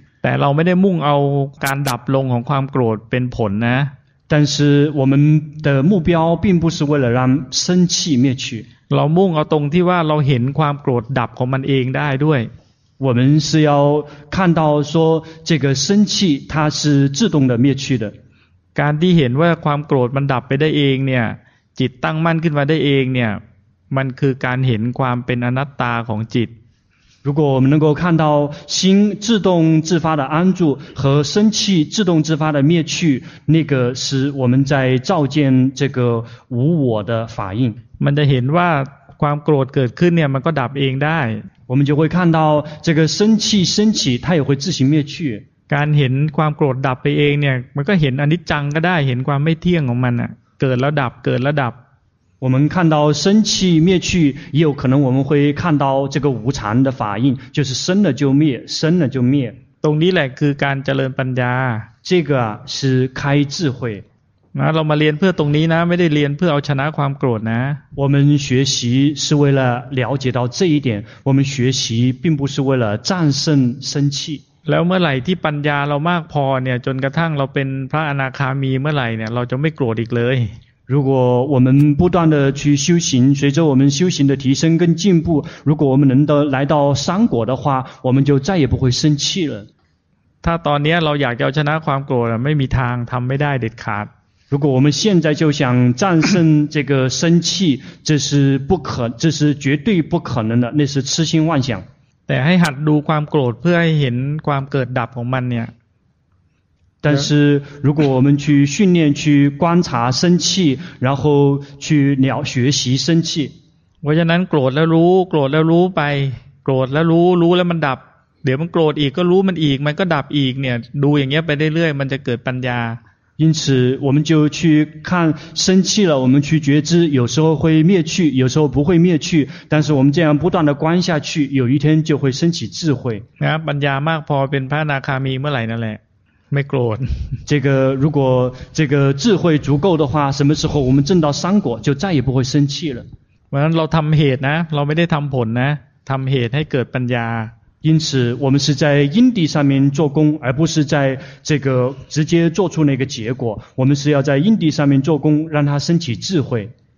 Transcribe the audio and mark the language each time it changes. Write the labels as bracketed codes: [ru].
[th] แต่เราไม่ได้มุ่งเอาการดับลงของความโกรธเป็นผลนะ。 [zh] 但是我们的目标并不是为了让生气灭去。 [th] เรามุ่งเอาตรงที่ว่าเราเห็นความโกรธดับของมันเองได้ด้วย [zh] 我们是要看到说这个生气它是自动的灭去的 [th] การที่เห็นว่าความโกรธมันดับไปได้เองเนี่ยจิตตั้งมั่นขึ้นมาได้เองเนี่ยมันคือการเห็นความเป็นอนัตตาของจิต [zh] 如果我们能够看到心自动自发的安住和生气自动自发的灭去那个是我们在照见这个无我的法印 [th] มันจะเห็นว่าความโกรธเกิดขึ้นเนี่ยมันก็ดับเองได้ [zh] 我们就会看到这个生气升起它也会自行灭去 [th] การเห็นความโกรธดับไปเองเนี่ยมันก็เห็นอนิจจังก็ได้เห็นความไม่เที่ยงของมันอ่ะเกิดแล้วดับเกิดแล้วดับ [zh] 我们看到生气灭去也有可能我们会看到这个无常的法印就是生了就灭生了就灭 [th] ตรงนี้แหละคือการเจริญปัญญา [zh] 这个是开智慧 [th] นะเรามาเรียนเพื่อตรงนี้นะไม่ได้เรียนเพื่อเอาชนะความโกรธนะ [zh] 我们学习是为了了解到这一点我们学习并不是为了战胜生气 [th] แล้วเมื่อไหร่ที่ปัญญาเรามากพอเนี่ยจนกระทั่งเราเป็นพระอนาคามีเมื่อไหร่เนี่ยเราจะไม่โกรธอีกเลย [zh] 如果我们不断的去修行随着我们修行的提升跟进步如果我们能够来到三果的话我们就再也不会生气了 [th] ถ้าตอนนี้เราอยากจะเอาชนะความโกรธไม่มีทางทำไม่ได้เด็ดขาด [zh] 如果我们现在就想战胜这个生气这是不可这是绝对不可能的那是痴心妄想 [th] แต่ให้หัดดูความโกรธเพื่อให้เห็นความเกิดดับของมันเนี่ย [zh] 但是如果我们去训练去观察生气然后去了学习生气 [th] เพราะฉะนั้นโกรธแล้วรู้โกรธแล้วรู้ไปโกรธแล้วรู้รู้แล้วมันดับเดี๋ยวมันโกรธอีกก็รู้มันอีกมันก็ดับอีกเนี่ยดูอย่างเงี้ยไปเรื่อยๆมันจะเกิดปัญญา [zh] 因此我们就去看生气了我们去觉知有时候会灭去有时候不会灭去但是我们这样不断的观下去有一天就会升起智慧 [th] นะปัญญามากพอเป็นพระอนาคามีเมื่อไหร่นั่นแหละไม่โกรธ [zh] 这个如果这个智慧足够的话什么时候我们证到三果就再也不会生气了 [th] เพราะเราทำเหตุนะเราไม่ได้ทำผลนะทำเหตุให้เกิดปัญญา [zh] 因此我们是在因地上面做工而不是在这个直接做出那个结果我们是要在因地上面做工让它升起智慧